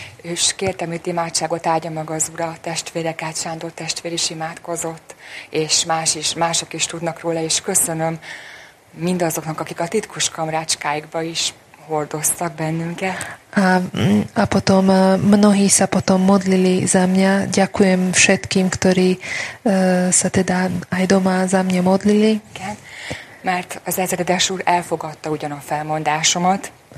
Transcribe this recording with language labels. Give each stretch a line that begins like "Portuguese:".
Hungarian: És kértem őt imádságot, áldja meg az Ura, testvéreket, Sándor testvér is imádkozott, és mások is tudnak róla, és köszönöm mindazoknak, akik a titkos kamrácskáikba is hordoztak bennünket.
Slovak: A potom mnohí sa potom modlili za mňa, ďakujem všetkým, ktorí sa teda aj doma za mňa modlili.
Hungarian: Igen, mert az ezredes úr elfogadta ugyan a felmondásomat,